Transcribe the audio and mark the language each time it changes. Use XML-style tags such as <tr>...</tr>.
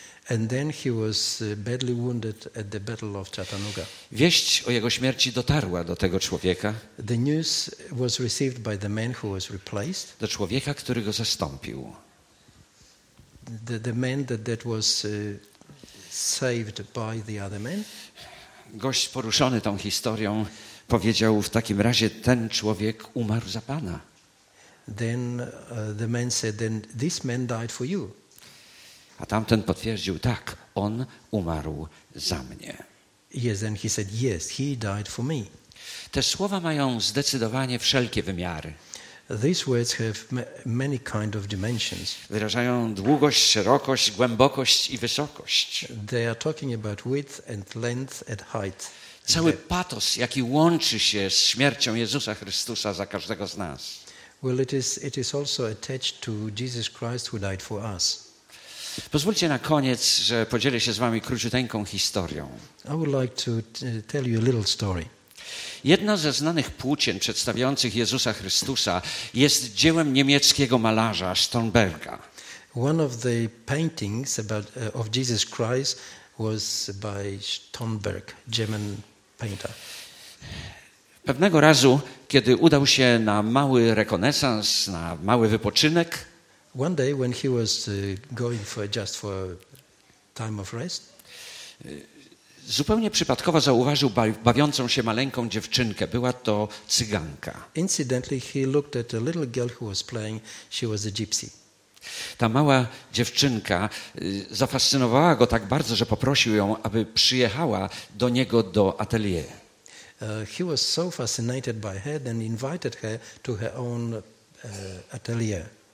<en>And then he was badly wounded at the battle of Chattanooga.</en> <pl>Wieść o jego śmierci dotarła do tego człowieka.</pl> <en>The news was received by the man who was replaced.</en> <pl>Do człowieka, który go zastąpił.</pl> <en>The man that was saved by the other man.</en> <pl>Gość poruszony tą historią powiedział: w takim razie ten człowiek umarł za pana.</pl> <en>Then the man said, then this man died for you.</en> <pl>A tamten potwierdził: tak, on umarł za mnie.</pl> <en>Yes, and he said, yes, he died for me.</en> <pl>Te słowa mają zdecydowanie wszelkie wymiary.</pl> <en>These words have many kind of dimensions.</en> <pl>Wyrażają długość, szerokość, głębokość i wysokość.</pl> <en>They are talking about width and length and height.</en> <pl>Cały patos, jaki łączy się z śmiercią Jezusa Chrystusa za każdego z nas.</pl> <en>Well, it is also attached to Jesus Christ who died for us.</en> <pl>Pozwólcie na koniec, że podzielę się z wami króciuteńką historią.</pl> <en>I would like to tell you a little story.</en> <pl>Jedna ze znanych płócien przedstawiających Jezusa Chrystusa jest dziełem niemieckiego malarza Stonberga.</pl> <en>One of the paintings of Jesus Christ was by Stonberg, German painter.</en> <pl>Pewnego razu, kiedy udał się na mały rekonesans, na mały wypoczynek,</pl> <en>one day when he was going for just for time of rest,</en> <pl>zupełnie przypadkowo zauważył bawiącą się maleńką dziewczynkę. Była to cyganka.</pl> <en>Incidentally, he looked at a little girl who was playing. She was a gypsy.</en> <pl>Ta mała dziewczynka zafascynowała go tak bardzo, że poprosił ją, aby przyjechała do niego do atelier.</pl> <en>He was so fascinated by her that he invited her to her own atelier.</en>